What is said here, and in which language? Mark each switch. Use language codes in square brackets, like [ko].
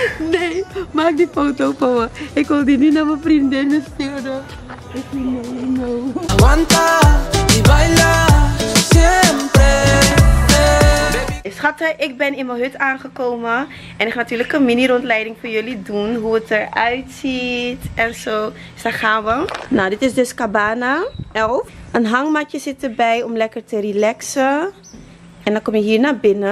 [nl] Nee, maak die foto van me. Ik wil die nu naar mijn vriendinnen sturen. [es] Aguanta y baila siempre. [nl] schatten, ik ben in mijn hut aangekomen. En ik ga natuurlijk een mini rondleiding voor jullie doen. Hoe het eruit ziet en zo. Dus daar gaan we. Nou, dit is dus cabana 11. Een hangmatje zit erbij om lekker te relaxen. En dan kom je hier naar binnen.